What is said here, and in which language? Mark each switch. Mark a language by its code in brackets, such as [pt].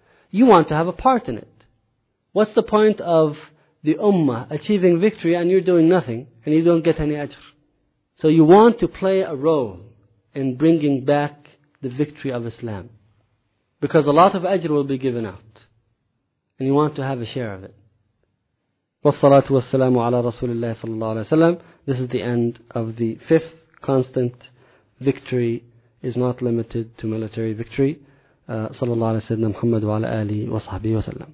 [en] You want to have a part in it. What's the point of the ummah achieving victory and you're doing nothing and you don't get any ajr? So you want to play a role in bringing back the victory of Islam. Because a lot of ajr will be given out. And you want to have a share of it. [ar] والصلاة والسلام على رسول الله صلى الله عليه وسلم. [en] This is the end of the fifth constant. Victory is not limited to military victory. [ar] صلى الله على سيدنا محمد وعلى آله وصحبه وسلم.